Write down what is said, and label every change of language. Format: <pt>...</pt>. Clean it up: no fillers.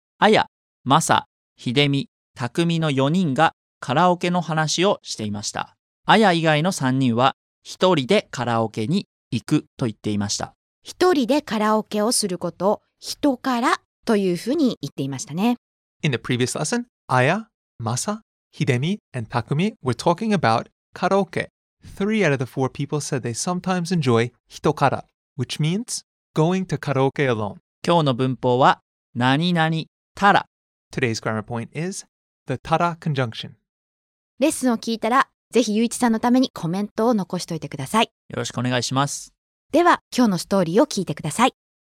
<ja>あや、まさ、ひでみ、たくみの4人がカラオケの話をしていました。あや以外の3人は一人でカラオケに行くと言っていました。一人でカラオケをすることを人からというふうに言っていましたね。</ja> <en>In the previous lesson, Aya, Masa, Hidemi, and Takumi were talking about karaoke. Three out of the four people said they sometimes enjoy hitokara, which means going to karaoke alone.</en> <ja>今日の文法は何々たら。</ja> <en>Today's grammar point is the tara conjunction.</en> <ja>レッスンを聞いたら、ぜひゆういちさんのためにコメントを残しておいてください。よろしくお願いします。では、今日のストーリーを聞いてください。</ja>